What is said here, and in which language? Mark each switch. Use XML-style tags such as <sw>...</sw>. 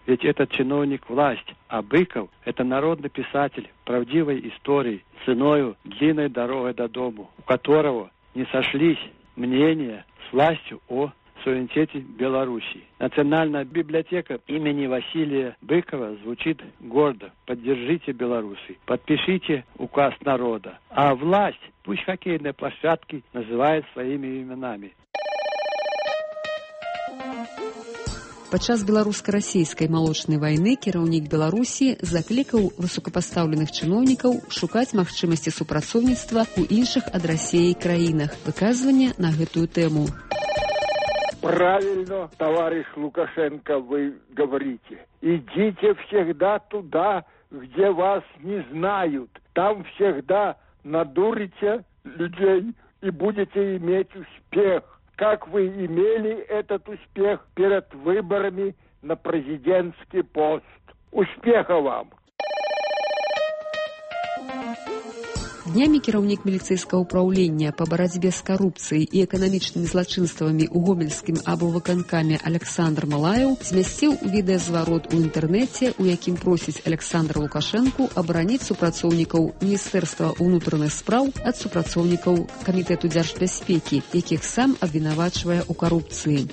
<ru>Ведь этот чиновник – власть, а Быков – это народный писатель правдивой истории, ценою длинной дорогой до дому, у которого не сошлись мнения с властью о суверенитете Беларуси. Национальная библиотека имени Василия Быкова звучит гордо. Поддержите белорусы, подпишите указ народа. А власть пусть хоккейные площадки называют своими именами.</ru> <be>Падчас беларуска-расійскай малочнай вайны кіраўнік Беларусі заклікаў высокапастаўленых чыноўнікаў шукаць магчымасці супрацоўніцтва ў іншых ад Расіі краінах. Выказванне на гэтую тэму.</be> <ru>Правильно, товарищ Лукашенко, вы говорите. Идите всегда туда, где вас не знают. Там всегда надурите людей и будете иметь успех. Как вы имели этот успех перед выборами на президентский пост? Успеха вам!</ru> <be>Днямі кіраўнік міліцейскага ўпраўлення па барацьбе з карупцыяй і эканамічнымі злачынствамі ў гомельскім аблвыканкаме Александр Малаеў змясціў відэазварот у інтэрнэце, у якім просіць Александра Лукашэнку абараніць супрацоўнікаў Міністэрства ўнутраных спраў ад супрацоўнікаў Камітэту дзяржбяспекі, якіх сам абвінавачвае ў карупцыі.</be>